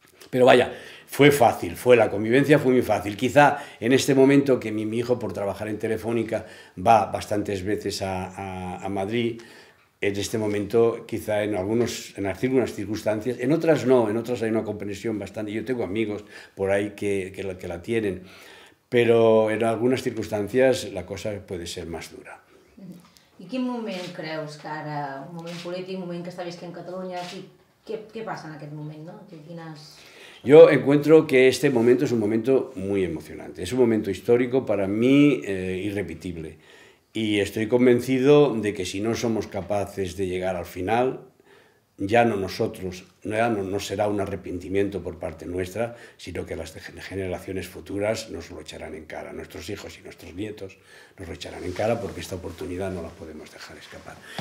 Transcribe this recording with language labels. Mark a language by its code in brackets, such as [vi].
[es] Pero vaya, fue fácil, fue la convivencia, fue muy fácil. Quizá en este momento que mi hijo, por trabajar en Telefónica, va bastantes veces a Madrid, en este momento quizá en algunas circunstancias, en otras no, en otras hay una comprensión bastante. Yo tengo amigos por ahí que la tienen, pero en algunas circunstancias la cosa puede ser más dura. [ca] ¿Y quin moment creus que ara, un moment polític, un moment que està visquent en Catalunya, què passa en aquest moment, no? Quines... [es] Yo encuentro que este momento es un momento muy emocionante, es un momento histórico para mí irrepetible y estoy convencido de que si no somos capaces de llegar al final, ya no nosotros, ya no será un arrepentimiento por parte nuestra, sino que las generaciones futuras nos lo echarán en cara, nuestros hijos y nuestros nietos nos lo echarán en cara porque esta oportunidad no la podemos dejar escapar.